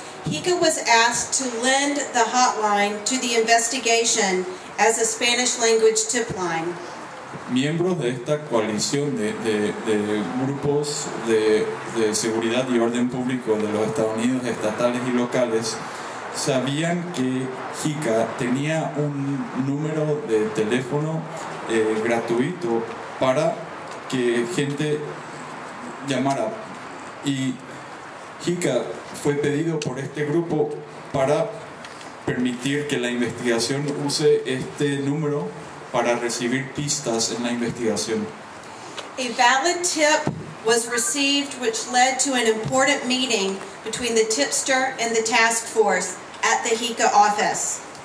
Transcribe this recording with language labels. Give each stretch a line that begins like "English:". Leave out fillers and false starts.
English: HICA was asked to lend the hotline to the investigation as a Spanish language tip line.
Spanish: Miembros de esta coalición de grupos de seguridad y orden público de los Estados Unidos, estatales y locales, sabían que HICA tenía un número de teléfono gratuito para que gente llamara. Y HICA fue pedido por este grupo para permitir que la investigación use este número para recibir pistas en la investigación.
English: A valid tip was received, which led to an important meeting between the tipster and the task force at the HICA office.